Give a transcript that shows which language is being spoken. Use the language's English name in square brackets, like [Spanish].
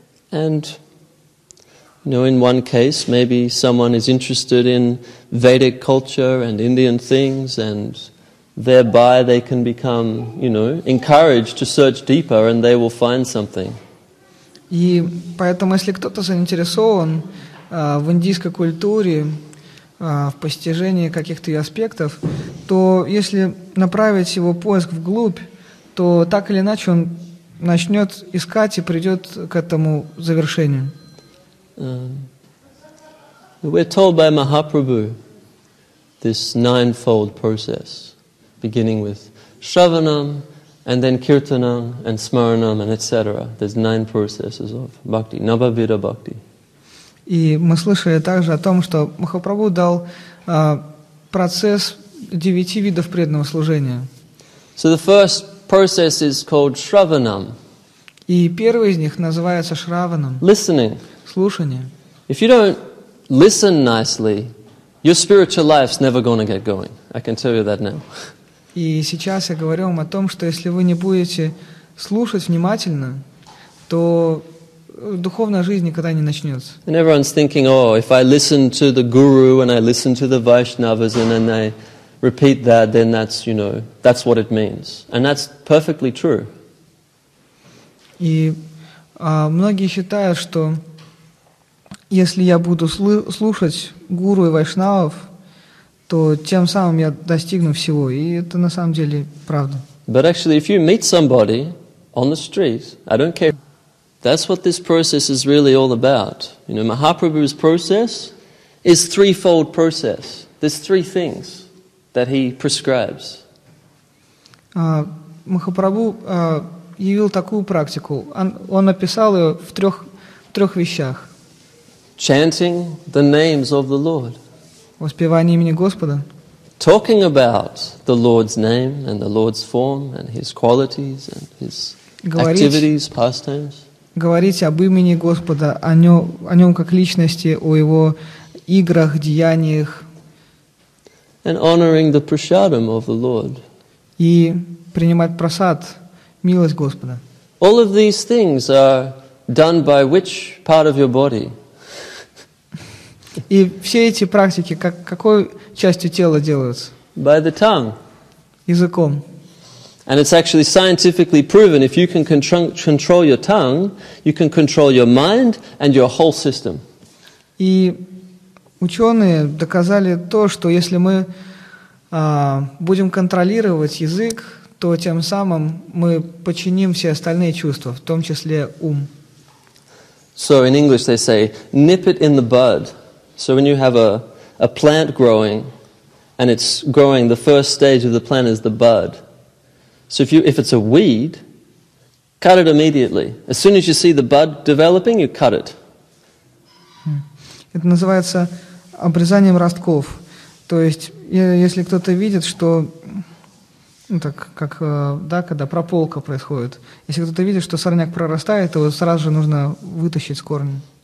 [English] And, you know, in one case, maybe someone is interested in Vedic culture and Indian things, and thereby they can become, you know, encouraged to search deeper, and they will find something. [Russian] И поэтому, если кто-то заинтересован в индийской культуре, в постижении каких-то ее аспектов, то если направить его поиск вглубь, то так или иначе он начнет искать и придет к этому завершению. [English] We're told by Mahaprabhu this ninefold process, beginning with Shravanam, and then Kirtanam, and Smaranam, and etc. There's nine processes of bhakti, Navavida bhakti. [Russian] И мы слышали также о том, что Махапрабху дал процесс девяти видов преданного служения. [English] So the first process is called Shravanam. [Russian] И первый из них называется Shravanam. [English] Listening. [Russian] Слушание. [English] If you don't listen nicely, your spiritual life's never going to get going. I can tell you that now. [Russian] И сейчас я говорю вам о том, что если вы не будете слушать внимательно, то духовная жизнь никогда не начнется. [English] And everyone's thinking, oh, if I listen to the guru and I listen to the Vaishnavas and then I repeat that, then that's, you know, that's what it means. And that's perfectly true. [Russian] И многие считают, что если я буду слушать гуру и вайшнавов, то тем самым я достигну всего. И это на самом деле правда. [English] But actually, if you meet somebody on the street, I don't care. That's what this process is really all about. You know, Mahaprabhu's process is threefold process. There's three things that he prescribes. [Russian] Махапрабху явил такую практику. Он написал ее в трех вещах. [English] Chanting the names of the Lord. [Russian] Воспевание имени Господа. [English] Talking about the Lord's name and the Lord's form and His qualities and His activities, pastimes. [Russian] Говорить об имени Господа, о нем как личности, о его играх, деяниях. [English] And honoring the prasadam of the Lord. [Russian] И принимать прасад, милость Господа. [English] All of these things are done by which part of your body? [Russian] И все эти практики какой частью тела делаются? [English] By the tongue. [Russian] Языком. [English] And it's actually scientifically proven if you can control your tongue, you can control your mind and your whole system. [Russian] И ученые доказали то, что если мы будем контролировать язык, то тем самым мы подчиним все остальные чувства, в том числе ум. [English] So in English they say, nip it in the bud. So when you have a plant growing, and it's growing, the first stage of the plant is the bud. So if it's a weed, cut it immediately. As soon as you see the bud developing, you cut it. [Russian] Это называется обрезанием ростков. То есть, если кто-то видит, что... Ну, так как, да, когда прополка происходит. Если кто-то видит, что сорняк прорастает, то сразу же нужно вытащить с корня.